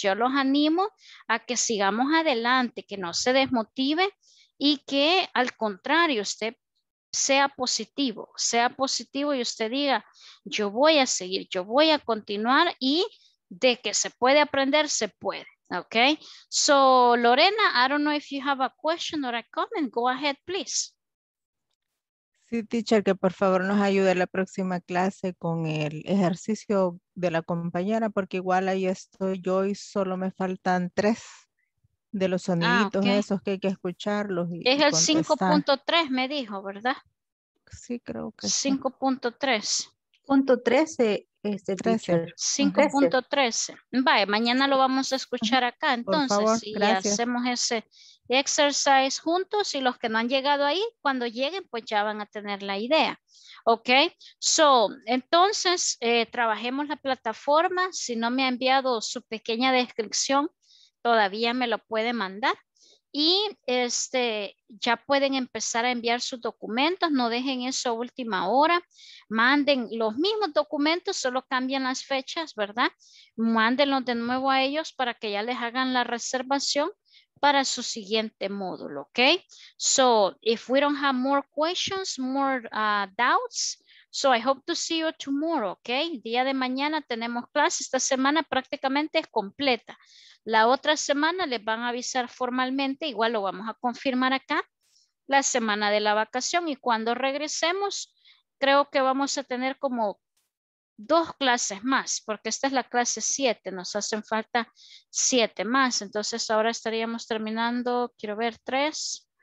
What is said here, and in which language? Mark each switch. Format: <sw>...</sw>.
<es>Yo los animo a que sigamos adelante, que no se desmotive y que al contrario, usted sea positivo y usted diga, yo voy a seguir, yo voy a continuar y de que se puede aprender, se puede, ¿ok?</es> <en>So, Lorena, I don't know if you have a question or a comment, go ahead, please.</en> <es>Sí, teacher, que por favor nos ayude a la próxima clase con el ejercicio de la compañera, porque igual ahí estoy yo y solo me faltan tres de los soniditos esos que hay que escucharlos. Y es el 5.3, me dijo, ¿verdad? Sí, creo que 5.3. Punto 13, este 13. 5.13. Vale, mañana lo vamos a escuchar acá, entonces, por favor, y hacemos ese exercise juntos y los que no han llegado ahí, cuando lleguen, pues ya van a tener la idea. Ok, so, entonces, trabajemos la plataforma. Si no me ha enviado su pequeña descripción, todavía me lo puede mandar y este, ya pueden empezar a enviar sus documentos, no dejen eso a última hora, manden los mismos documentos, solo cambian las fechas, ¿verdad? Mándenlos de nuevo a ellos para que ya les hagan la reservación para su siguiente módulo, ¿ok?</es> <en>So, if we don't have more questions, more doubts, so I hope to see you tomorrow, ¿ok?</en> <es>Día de mañana tenemos clase, esta semana prácticamente es completa. La otra semana les van a avisar formalmente, igual lo vamos a confirmar acá, la semana de la vacación y cuando regresemos, creo que vamos a tener como dos clases más, porque esta es la clase 7, nos hacen falta 7 más, entonces ahora estaríamos terminando, quiero ver, 3.</es>